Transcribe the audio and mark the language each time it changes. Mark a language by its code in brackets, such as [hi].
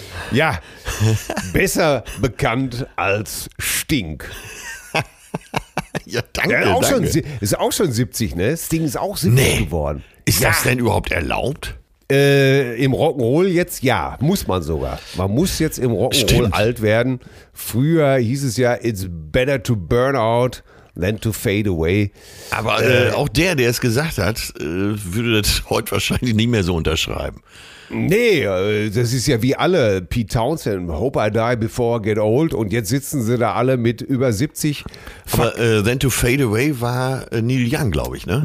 [de] Ja, besser bekannt als Stink. Ja, danke, ja, auch danke. Schon, ist auch schon 70, ne? Das Ding ist auch 70 geworden. Ist das denn überhaupt erlaubt? Im Rock'n'Roll jetzt, ja, muss man sogar. Man muss jetzt im Rock'n'Roll alt werden. Früher hieß es ja, [en] it's better to burn out than to fade away. [de] Aber auch der es gesagt hat, würde das heute wahrscheinlich nicht mehr so unterschreiben. Nee, das ist ja wie alle, Pete Townsend, [en] hope I die before I get old, [de] und jetzt sitzen sie da alle mit über 70. Aber Then to Fade Away war Neil Young, glaube ich, ne?